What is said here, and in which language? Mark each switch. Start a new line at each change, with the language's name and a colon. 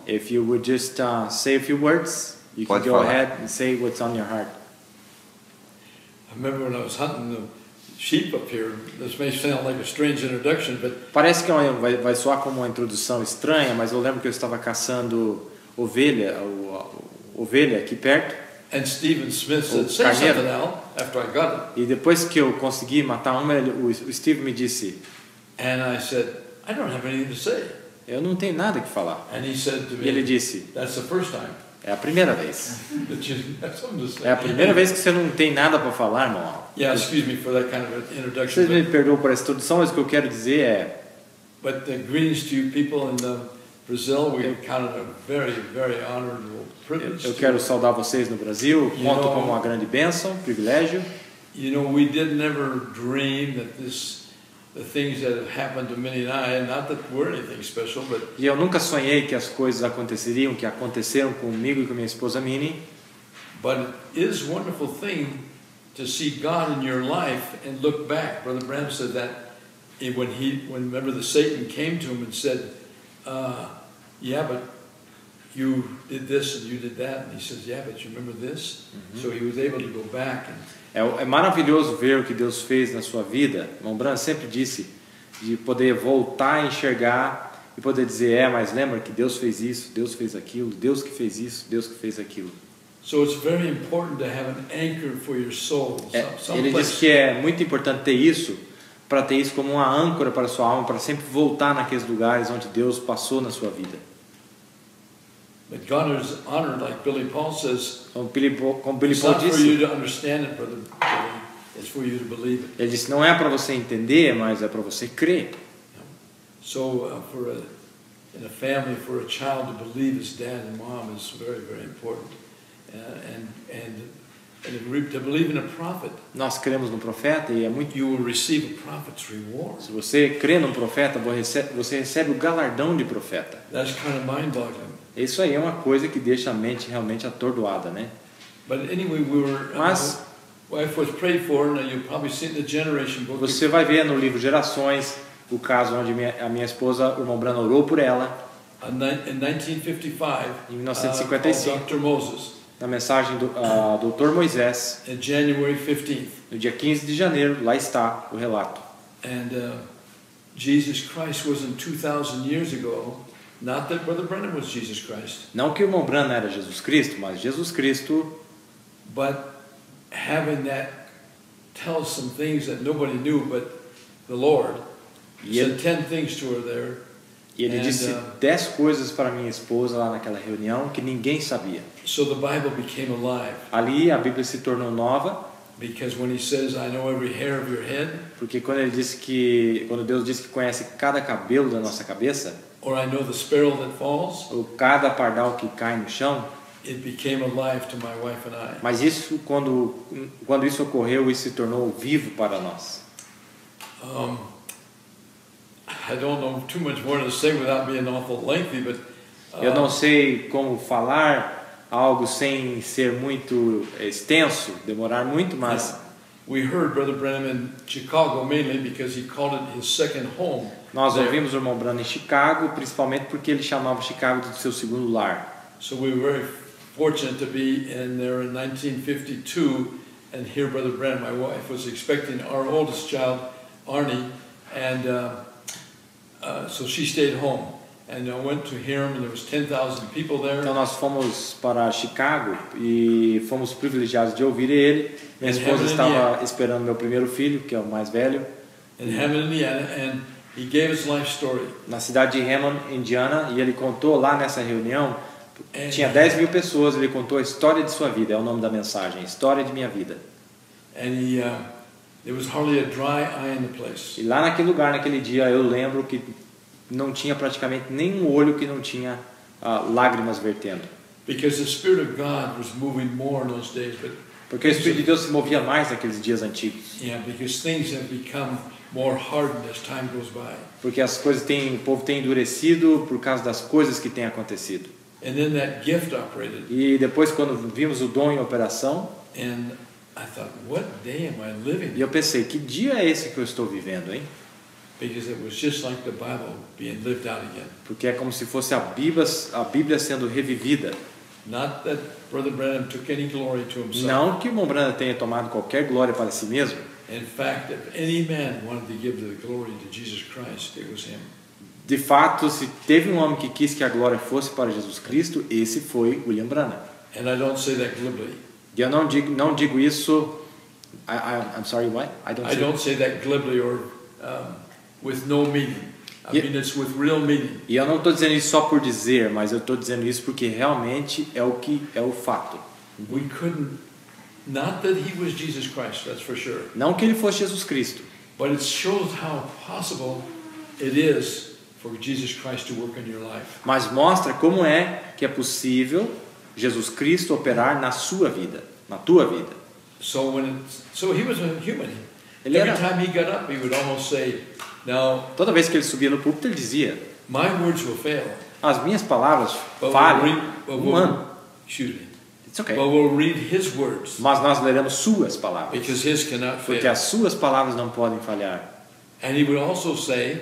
English: If you would just say a few words, you
Portuguese: pode
English: can go
Portuguese: falar.
English: Ahead and say what's on your heart. I remember when I was hunting the sheep up here. This may sound like a strange introduction, but
Portuguese: parece que vai soar como uma introdução estranha, mas eu lembro que eu estava caçando ovelha aqui perto.
English: And Stephen Smith said, "Say something now after I got it."
Portuguese: E depois que eu consegui matar uma, o Steve me disse.
English: And I said, "I don't have anything to say."
Portuguese: Eu não tenho nada que falar.
English: And he said to me,
Portuguese: e ele disse.
English: That's the first time.
Portuguese: É a primeira vez.
English: That you have something to say.
Portuguese: É a primeira vez que você não tem nada para falar, irmão.
English: Yeah, excuse me for that kind of introduction.
Portuguese: Você me perdoou por essa introdução, mas o que eu quero dizer é.
English: But the greetings to you people in the Brazil, we count it a very, very honorable.
Portuguese: Eu quero saudar vocês no Brasil, conto como uma grande bênção, privilégio.
English: You know, we did never dream that this, the things that have happened to Minnie and I, not that were anything special, but.
Portuguese: E eu nunca sonhei que as coisas aconteceriam, que aconteceram comigo e com minha esposa Minnie.
English: But it is a wonderful thing to see God in your life and look back. Brother Branham said that when remember the Satan came to him and said, yeah, but. You did this and you did that, and he says, "Yeah, but you remember this." Mm-hmm. So he was able to go back.
Portuguese: É maravilhoso ver o que Deus fez na sua vida. Irmão Branham sempre disse de poder voltar a enxergar e poder dizer, mas lembra que Deus fez isso, Deus fez aquilo, Deus que fez isso, Deus que fez aquilo.
English: So it's very important to have an anchor for your soul.
Portuguese: Ele diz que é muito importante ter isso, para ter isso como uma âncora para a sua alma, para sempre voltar naqueles lugares onde Deus passou na sua vida.
English: But God is honored, like Billy Paul says. Billy Paul
Portuguese: disse,
English: for you to understand it, brother. It's for you to believe it.
Portuguese: Ele disse, não é para você entender, mas é para você crer.
English: So in a family, for a child to believe his dad and mom is very, very important. And to believe in a prophet.
Portuguese: Nós cremos no profeta e é muito.
English: You will receive a prophet's reward.
Portuguese: Se você crê num profeta, você recebe o galardão de profeta.
English: That's kind of mind-boggling.
Portuguese: Isso aí é uma coisa que deixa a mente realmente atordoada, né?
English: But anyway,
Portuguese: mas,
English: wife was prayed for, and you probably seen the generation book.
Portuguese: Você vai ver no livro Gerações o caso onde a minha esposa, o irmão Branham, orou por ela. Em 1955,
English: Dr. Moses,
Portuguese: na mensagem do Dr. Moisés,
English: on January 15th.
Portuguese: No dia 15 de janeiro, lá está o relato.
English: And Jesus Christ was in 2000 years ago. Not that Brother Branham was Jesus Christ.
Portuguese: Não que o irmão Branham era Jesus Cristo, mas Jesus Cristo.
English: But having that tells some things that nobody knew, but the Lord. He said 10 things to her there.
Portuguese: E ele disse 10 coisas para minha esposa lá naquela reunião que ninguém sabia.
English: So the Bible became alive.
Portuguese: Ali a Bíblia se tornou nova.
English: Because when he says, "I know every hair of your head."
Portuguese: Porque quando ele disse que, quando Deus disse que conhece cada cabelo da nossa cabeça.
English: Or I know the sparrow that falls.
Portuguese: Ou cada pardal que cai no chão.
English: It became alive to my wife and I.
Portuguese: Mas isso, quando isso ocorreu, isso se tornou vivo para nós.
English: I don't know too much more to say without being awful lengthy, but.
Portuguese: Eu não sei como falar algo sem ser muito extenso, demorar muito, mas.
English: We heard Brother Branham in Chicago mainly because he called it his second home.
Portuguese: Nós ouvimos o irmão Branham em Chicago principalmente porque ele chamava Chicago de seu segundo lar.
English: So we were fortunate to be in there in 1952 and hear Brother Branham. My wife was expecting our oldest child, Arnie, and so she stayed home. And I went to hear him, and there was 10,000 people there.
Portuguese: Então nós fomos para Chicago e fomos privilegiados de ouvir ele. Minha esposa estava esperando meu primeiro filho, que é o mais velho.
English: In Hammond, Indiana, and he gave his life story.
Portuguese: Na cidade de Hammond, Indiana, e ele contou lá nessa reunião. Tinha 10 mil pessoas. Ele contou a história de sua vida. É o nome da mensagem. História de minha vida.
English: And he, there was hardly a dry eye in the place.
Portuguese: E lá naquele lugar, naquele dia, eu lembro que não tinha praticamente nenhum olho que não tinha lágrimas vertendo.
English: Because the Spirit of God was moving more in those days, but
Portuguese: porque o Espírito de Deus se movia mais naqueles dias antigos.
English: Yeah, because things have become more hardened as time goes by.
Portuguese: Porque as coisas têm, o povo tem endurecido por causa das coisas que têm acontecido.
English: And then that gift operated.
Portuguese: E depois quando vimos o dom em operação,
English: and I thought, what day am I living?
Portuguese: E eu pensei, que dia é esse que eu estou vivendo, hein?
English: Because it was just like the Bible being lived out again.
Portuguese: Porque é como se fosse a Bíblia sendo revivida.
English: Not that Brother Branham took any glory to himself.
Portuguese: Não que o irmão Branham tenha tomado qualquer glória para si mesmo.
English: In fact, if any man wanted to give the glory to Jesus Christ, it was him.
Portuguese: De fato, se teve um homem que quis que a glória fosse para Jesus Cristo, esse foi William Branham.
English: And I don't say that glibly.
Portuguese: E eu não digo isso.
English: I'm sorry, what? I don't say that glibly or with no meaning. I mean, it's with real meaning.
Portuguese: E eu não estou dizendo isso só por dizer, mas eu estou dizendo isso porque realmente é o que é o fato.
English: We couldn't, not that he was Jesus Christ, that's for sure.
Portuguese: Não que ele fosse Jesus Cristo.
English: But it shows how possible it is for Jesus Christ to work in your life.
Portuguese: Mas mostra como é que é possível Jesus Cristo operar na sua vida, na tua vida.
English: So he was a human. Every time he got up, he would almost say, "Now."
Portuguese: Toda vez que ele subia no púlpito, ele dizia,
English: "My words will fail."
Portuguese: As minhas palavras falham.
English: But we'll read his words.
Portuguese: Mas nós leremos suas palavras.
English: Because his cannot fail.
Portuguese: Porque as suas palavras não podem falhar.
English: And he would also say.